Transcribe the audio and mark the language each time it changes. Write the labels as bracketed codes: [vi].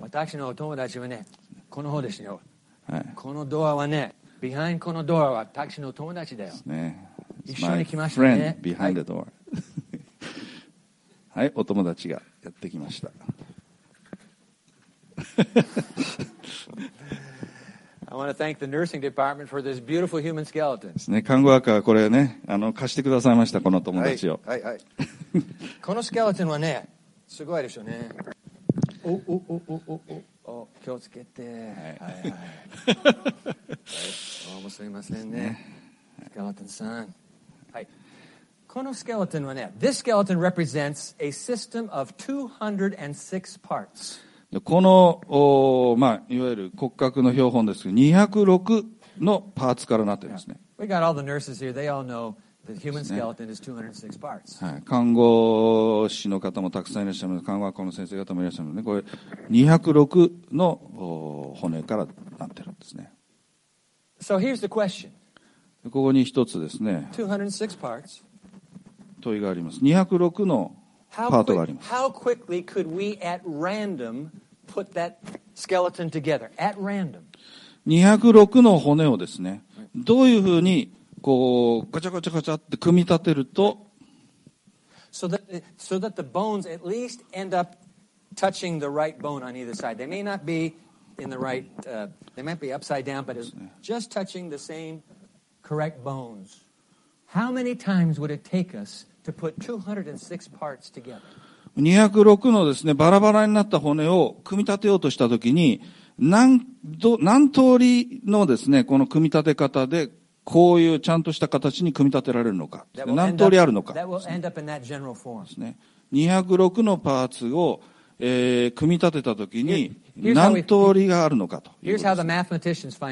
[ja] 私のお友達はね、この方ですよ、はい。このドアはね、behind このドアは私のお友達だよ。ですね、 [en] My friend behind the door. [ja] はい、お友達がやってきました。 [en] I want to thank the nursing department for this beautiful human skeleton. [ja] ね、看護学はこれね、貸してくださいました、この友達を。はいはいはい、このスケルトンはね、すごいでしょうね。お、気をつけて。はいはい。どうもすみませんね、スケルトンさん。このスケルトンはね、 [en] This skeleton represents a system of 206 parts. [ja] この、まあ、いわゆる骨格の標本ですけど、206のパーツからなってるんですね。 [en] We got all the nurses here. They all know the human skeleton is 206 parts. [ja] はい、看護師の方もたくさんいらっしゃいます。看護学校の先生方もいらっしゃいますね。これ206の骨からなってるんですね。 [en] So here's the question. [ja] ここに一つですね。 [en] 206 parts. [ja] 問いがあります。206のパートがあります。 [en] How quickly could we at random put that skeleton together? At random. [ja] 206の骨をですね、どういうふうにこうガチャガチャガチャって組み立てると、 [en] so that the bones at least end up touching the right bone on either side. They may not be in the right, they might be upside down, but it's just touching the same correct bones. How many times would it take us to put 206 parts together? [ja] 206のですね、バラバラになった骨を組み立てようとしたときに、何通りのですね、この組み立て方で、こういうちゃんとした形に組み立てられるのか、何通りあるのか、206のパーツを、組み立てたときに、何通りがあるのかということです。